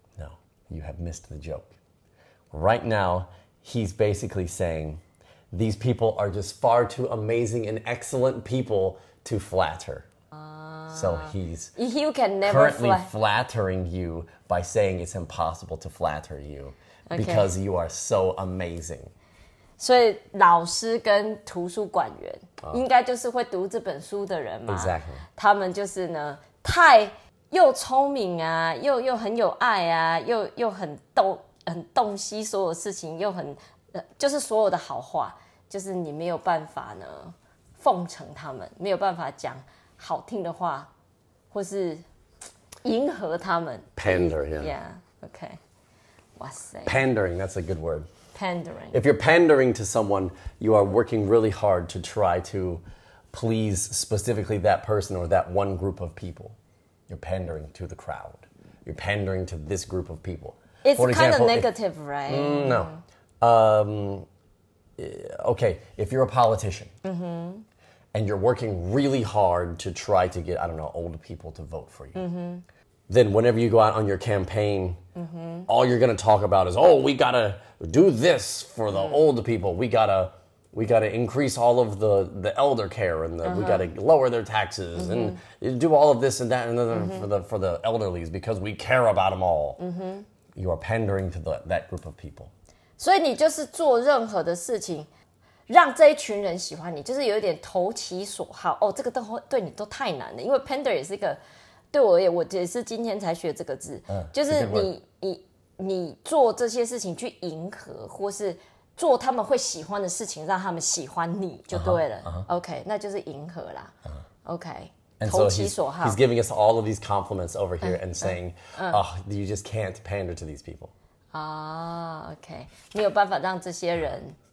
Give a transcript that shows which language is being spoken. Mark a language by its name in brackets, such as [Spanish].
[English] No, you have missed the joke. Right now, he's basically saying... These people are just far too amazing and excellent people to flatter. So he's you can never currently flattering you by saying it's impossible to flatter you、okay. because you are so amazing. [Chinese] 所以老师跟图书馆员、 [English] oh. [Chinese] 应该就是会读这本书的人嘛。 [English] Exactly. [Chinese] 他们就是呢太又聪明啊 又很有爱啊 又很洞悉所有事情又很就是所有的好话就是你没有办法呢奉承他们没有办法讲好听的话或是迎合他们 [English] Pander, yeah. Yeah, okay. [Chinese] 哇塞 [English] Pandering, that's a good word. Pandering. If you're pandering to someone, you are working really hard to try to please specifically that person or that one group of people. You're pandering to the crowd. You're pandering to this group of people. It's For example, kind of negative, right? No. Okay, if you're a politician、mm-hmm. and you're working really hard to try to get, I don't know, old people to vote for you,、mm-hmm. then whenever you go out on your campaign,、mm-hmm. all you're going to talk about is, oh, we got to do this for the、mm-hmm. old people. We got to increase all of the elder care and the,、uh-huh. we got to lower their taxes、mm-hmm. and do all of this and that and、mm-hmm. for the elderly because we care about them all.、Mm-hmm. You are pandering to that group of people. [Chinese] 所以你就是做任何的事情让这一群人喜欢你就是有点投其所好哦，这个都对你都太难了因为 pander 也是一个对我而言我也是今天才学这个字、就是你做这些事情去迎合或是做他们会喜欢的事情让他们喜欢你就对了 [English] uh-huh, uh-huh. OK [Chinese] 那就是迎合啦、 [English] uh-huh. OK And so he's giving us all of these compliments over here and saying you just can't pander to these people OK, [Chinese] 你有办法让这些人